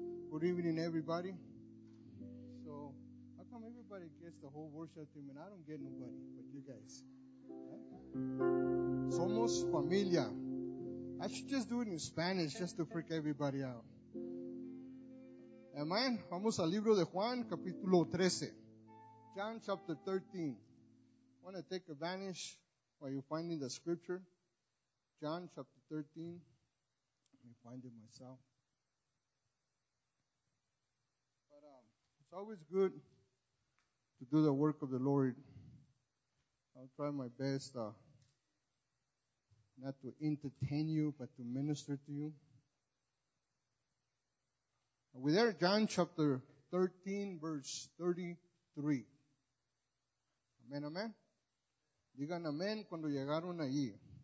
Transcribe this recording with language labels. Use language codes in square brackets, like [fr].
[en] Good evening, everybody. So, how come everybody gets the whole worship team and I don't get nobody but you guys? Yeah? [es] Somos familia. [en] I should just do it in Spanish just to freak everybody out. Amen. [es] Vamos al libro de Juan, capítulo 13. [en] John chapter 13. I want to take advantage while you're finding the scripture. John chapter 13. Let me find it myself. But it's always good to do the work of the Lord. I'll try my best not to entertain you, but to minister to you. We're there, John chapter 13, verse 33. Amen, amen. [es] Digan amén cuando llegaron allí.